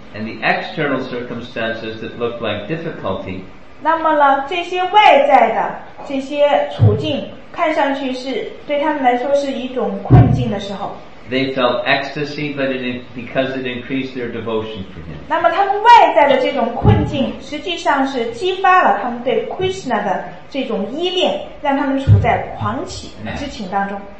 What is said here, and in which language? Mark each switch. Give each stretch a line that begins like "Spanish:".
English: And the external circumstances that looked like difficulty.
Chinese: 那么呢，这些外在的这些处境。看上去是对他们来说是一种困境的时候
English: They felt ecstasy but because it increased their devotion for him
Chinese: 那么他们外在的这种困境 实际上是激发了他们对 Krishna的这种依恋 让他们处在狂喜之情当中